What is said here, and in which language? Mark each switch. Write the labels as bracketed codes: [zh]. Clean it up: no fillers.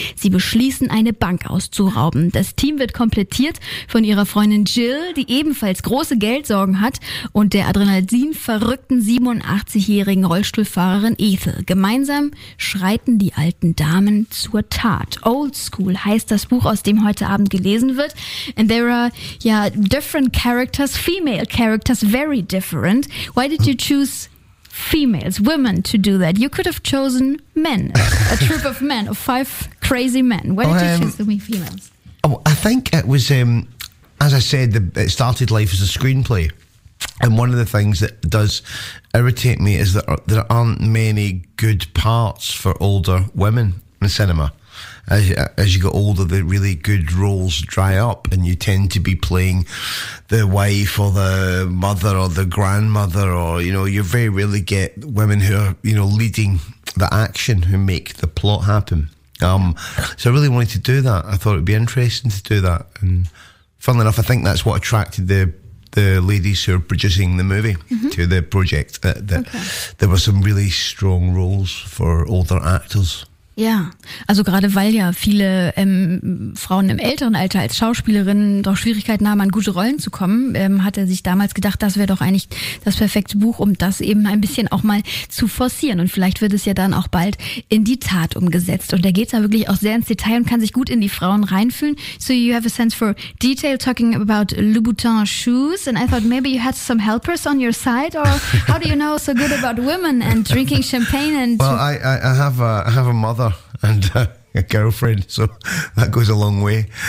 [de] Sie beschließen, eine Bank auszurauben. Das Team wird komplettiert von ihrer Freundin Jill, die ebenfalls große Geldsorgen hat, und der adrenalinverrückten 87-jährigen Rollstuhlfahrerin Ethel. Gemeinsam schreiten die alten Damen zur Tat. Old School heißt das Buch, aus dem heute Abend gelesen wird. [en] And there are, yeah, different characters, female characters, very different. Why did you choose females, women, to do that? You could have chosen men, a troop of men, of five crazy men. Why did you choose the females? Oh, I think it was, as I said, it started life as a screenplay. And one of the things that does irritate me is that there aren't many good parts for older women in cinema. As you get older, the really good roles dry up and you tend to be playing the wife or the mother or the grandmother, or, you know, you very rarely get women who are, you know, leading the action, who make the plot happen. So I really wanted to do that. I thought it'd be interesting to do that. And funnily enough, I think that's what attracted the ladies who are producing the movie, mm-hmm, to the project. There were some really strong roles for older actors. [de] Ja, also gerade weil ja viele Frauen im älteren Alter als Schauspielerinnen doch Schwierigkeiten haben, an gute Rollen zu kommen, hat er sich damals gedacht, das wäre doch eigentlich das perfekte Buch, um das eben ein bisschen auch mal zu forcieren. Und vielleicht wird es ja dann auch bald in die Tat umgesetzt. Und er geht da wirklich auch sehr ins Detail und kann sich gut in die Frauen reinfühlen. [en] So you have a sense for detail talking about Louboutin shoes, and I thought maybe you had some helpers on your side, or how do you know so good about women and drinking champagne? And well, I have a mother and a girlfriend, so that goes a long way.